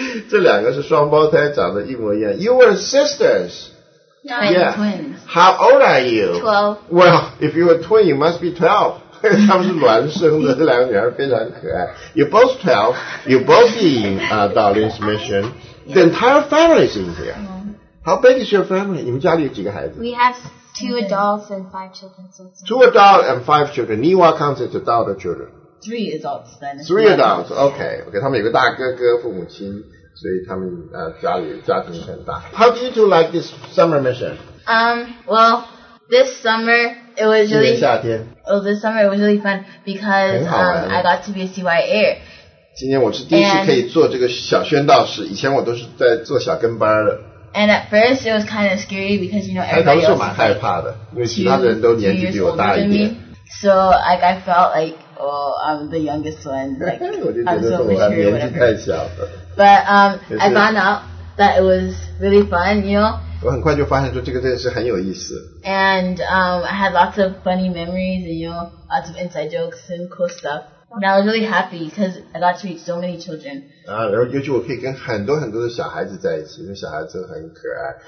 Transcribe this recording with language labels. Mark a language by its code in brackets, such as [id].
[zh] 这两个是双胞胎，长得一模一样。 [en] You were sisters. Yeah, twins. How old are you? 12. Well, if you were twin, you must be 12. [zh] 他们是孪生的，这两个女孩非常可爱。 [en] You're both 12, you're both in Darlene's mission. The entire family is in here. How big is your family? [zh] 你们家里有几个孩子？ [en] We have two adults and five children. So two adults and five children. Niwa counts as adult children. Three adults then. Three adults, okay. [zh] Okay, 他们有个大哥哥，父母亲，所以他们家里家庭很大。 [en] How do you two like this summer mission? Well, this summer... It was really, [zh] 今年夏天 [en] Oh, this summer it was really fun because I got to be a CYA. [zh] 今年我是第一次可以做这个小宣道士，以前我都是在做小跟班的。 [en] And at first it was kind of scary because you know everybody else. [zh] 开头是蛮害怕的，因为其他的人都年纪比我大一点。 [en] So like I felt like, oh, I'm the youngest one. Like, [zh] 我还年纪太小了。 [en] But I found out that it was really fun, you know. [zh] 我很快就发现说这个真的是很有意思。 [en] And I had lots of funny memories and you know, lots of inside jokes and cool stuff. And I was really happy because I got to meet so many children. [zh] 然后尤其我可以跟很多很多的小孩子在一起，因为小孩子很可爱。